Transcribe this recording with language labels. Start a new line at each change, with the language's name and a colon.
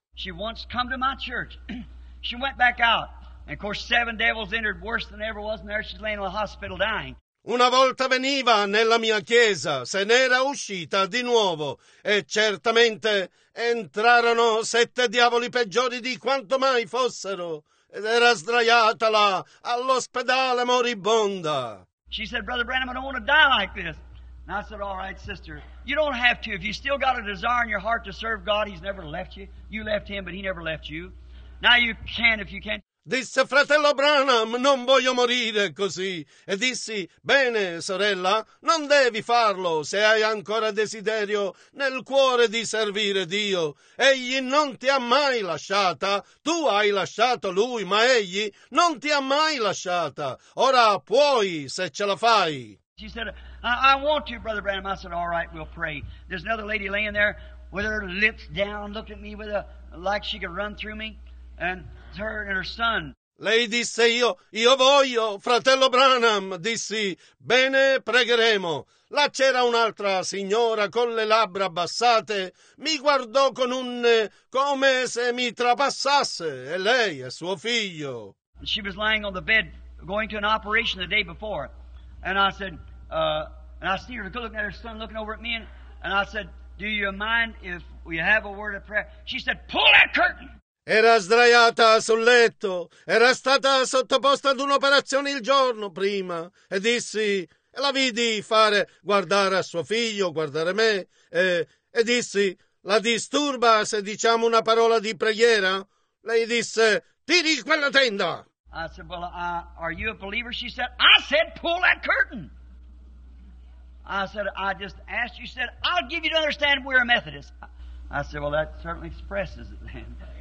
English: She once come to my church. She went back out. And of course 7 devils entered worse than ever was in there. She's laying in the hospital dying.
Italian: Una volta veniva nella mia chiesa, se n'era uscita di nuovo, e certamente entrarono 7 diavoli peggiori di quanto mai fossero, ed era sdraiata là, all'ospedale moribonda.
English: She said, Brother Branham, I don't want to die like this. And I said, all right, sister, you don't have to. If you still got a desire in your heart to serve God, he's never left you. You left him, but he never left you. Now you can if you can.
Italian: Disse, fratello Branham, non voglio morire così. E dissi, bene, sorella, non devi farlo se hai ancora desiderio nel cuore di servire Dio. Egli non ti ha mai lasciata. Tu hai lasciato lui, ma egli non ti ha mai lasciata. Ora puoi, se ce la fai.
English: She said, I want to, brother Branham. I said, all right, we'll pray. There's another lady laying there with her lips down, looking at me with a, like she could run through me. And her and her son.
Italian: Lei disse io voglio, fratello Branham, dissi, bene, pregheremo. Là c'era un'altra signora con le labbra abbassate, mi guardò con un come se mi trapassasse, e lei e suo figlio.
English: She was lying on the bed going to an operation the day before, and I said, and I see her looking at her son looking over at me, and I said, do you mind if we have a word of prayer? She said, pull that curtain!
Italian: Era sdraiata sul letto, era stata sottoposta ad un'operazione il giorno prima, e dissi, e la vidi fare guardare a suo figlio, guardare me, e dissi, la disturba se diciamo una parola di preghiera? Lei disse, tiri quella tenda!
English: I said, well, are you a believer? She said, I said, pull that curtain! I said, I just asked you, she said, I'll give you to understand we're a Methodist. I said, well, that certainly expresses it then.